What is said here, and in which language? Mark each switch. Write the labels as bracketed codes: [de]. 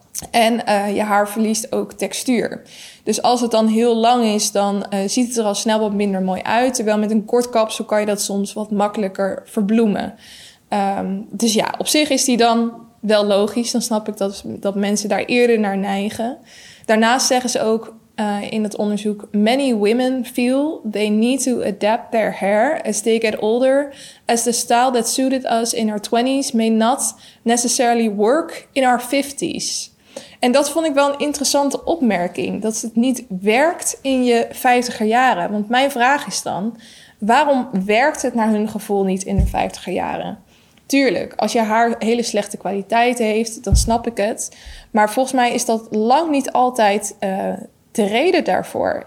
[nl] En je haar verliest ook textuur. Dus als het dan heel lang is, dan ziet het er al snel wat minder mooi uit. Terwijl met een kort kapsel kan je dat soms wat makkelijker verbloemen. Dus ja, op zich is die dan wel logisch. Dan snap ik dat mensen daar eerder naar neigen. Daarnaast zeggen ze ook in het onderzoek: [en] many women feel they need to adapt their hair as they get older, as the style that suited us in our 20s may not necessarily work in our 50s. [nl] En dat vond ik wel een interessante opmerking, dat het niet werkt in je 50er jaren. Want mijn vraag is dan, waarom werkt het naar hun gevoel niet in hun 50er jaren? Tuurlijk, als je haar hele slechte kwaliteit heeft, dan snap ik het. Maar volgens mij is dat lang niet altijd de reden daarvoor.